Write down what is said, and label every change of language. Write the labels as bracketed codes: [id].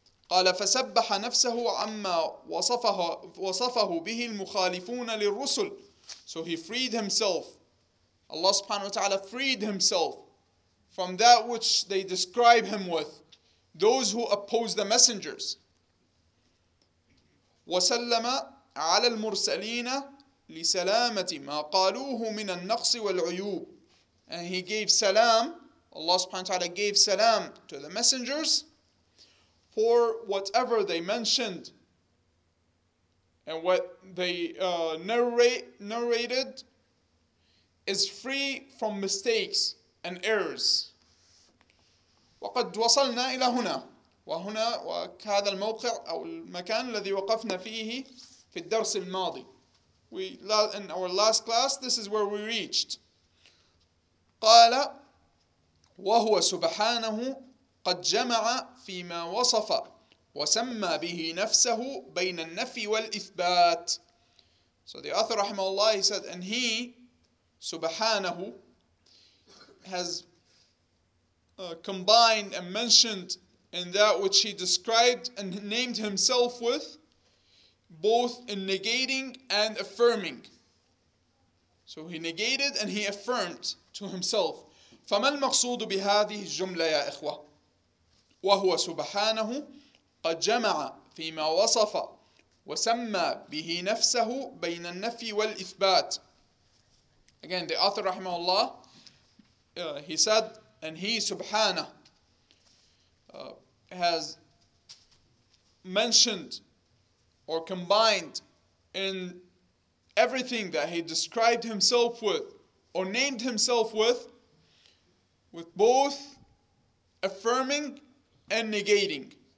[ar] قَالَ فَسَبَّحَ نَفْسَهُ عَمَّا وَصَفَهُ بِهِ الْمُخَالِفُونَ لِلرُّسُلِ. [en] So he freed himself. Allah subhanahu wa ta'ala freed himself from that which they describe him with, those who oppose the messengers. [ar] وسلم على المرسلين لسلامة ما قالوه من النقص والعيوب. [en] And he gave salam, Allah subhanahu wa ta'ala gave salam to the messengers for whatever they mentioned and what they narrated is free from mistakes and errors. [ar] وقد وصلنا إلى هنا وهنا وكهذا الموقع أو المكان الذي وقفنا فيه في الدرس الماضي. [en] In our last class, this is where we reached. [ar] قال وهو سبحانه قد جمع فيما وصف وسمى به نفسه بين النفي والإثبات. [en] So the author رحمه الله, he said, and he سبحانه has combined and mentioned in that which he described and named himself with, both in negating and affirming. So he negated and he affirmed to himself. [ar] فما المقصود بهذه الجملة يا إخوة؟ وهو سبحانه قد جمع فيما وصف وسمى به نفسه بين النفي والإثبات. [en] Again, the author رحمه الله, he said, and he سبحانه has mentioned or combined in everything that he described himself with or named himself with both affirming and negating.